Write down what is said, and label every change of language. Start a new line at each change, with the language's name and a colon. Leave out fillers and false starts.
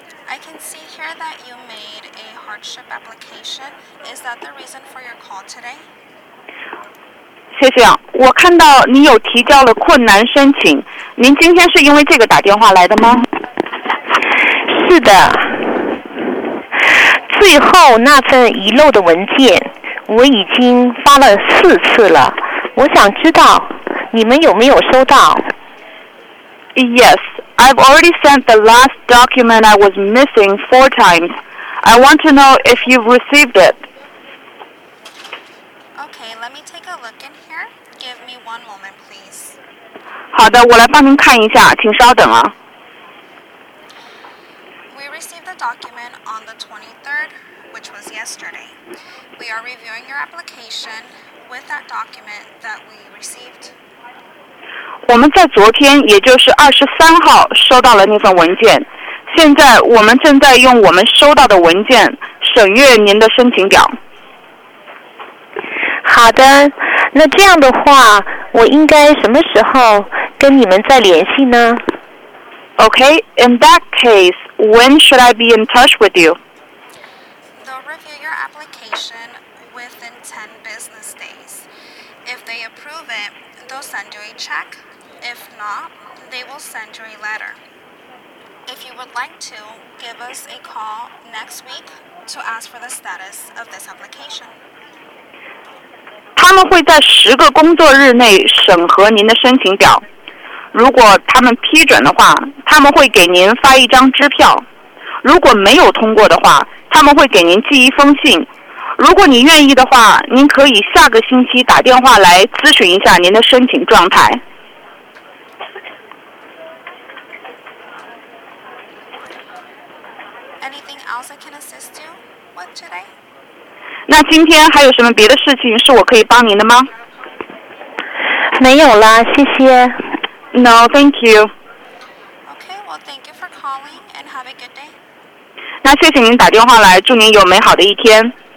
English: I can see here that you made a hardship application. Is that the reason for your call today?
Chinese: 谢谢。我看到你有提交了困难申请。您今天是因为这个打电话来的吗？是的。最后那份遗漏的文件，我已经发了四次了。我想知道你们有没有收到。
English: Yes, I've already sent the last document I was missing 4 times. I want to know if you've received it. Okay, let me take a look in here. Give me one moment, please.
Chinese: 好的，我来帮您看一下，请稍等啊。
English: Document on the 23rd, which was yesterday. We are reviewing your application with that document that we received.
Chinese: 我们在昨天，也就是23号，收到了那份文件。现在我们正在用我们收到的文件审阅您的申请表。好的，那这样的话，我应该什么时候跟你们再联系呢？
English: Okay, in that case, when should I be in touch with you? They'll review your application within 10 business days. If they approve it, they'll send you a check. If not, they will send you a letter. If you would like to, give us a call next week to ask for the status of this application.
Chinese: 他们会在十个工作日内审核您的申请表。如果他们批准的话，他们会给您发一张支票。如果没有通过的话，他们会给您寄一封信。如果你愿意的话，您可以下个星期打电话来咨询一下您的申请状态。
English: Anything else I can assist you with today?
Chinese: 那今天还有什么别的事情是我可以帮您的吗？没有了，谢谢。
English: No, thank you. Okay, well, thank you for calling and have a good day.
Chinese: 那谢谢您打电话来，祝您有美好的一天。